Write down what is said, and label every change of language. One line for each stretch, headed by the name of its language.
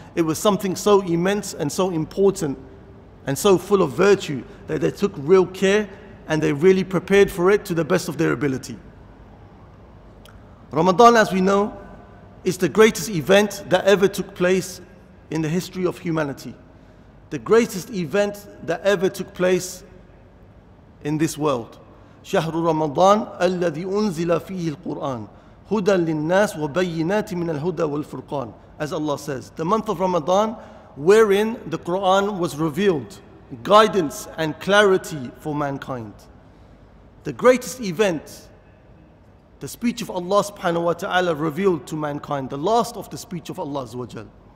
English: It was something so immense and so important and so full of virtue that they took real care and they really prepared for it to the best of their ability. Ramadan, as we know, is the greatest event that ever took place in the history of humanity. The greatest event that ever took place in this world.
Arabic: شهر رمضان الذي أنزل فيه القرآن هدى للناس وبينات من الهدى والفرقان.
English: As Allah says, the month of Ramadan, wherein the Quran was revealed, guidance and clarity for mankind. The greatest event, the speech of Allah subhanahu wa ta'ala revealed to mankind, the last of the speech of Allah azza wa jal.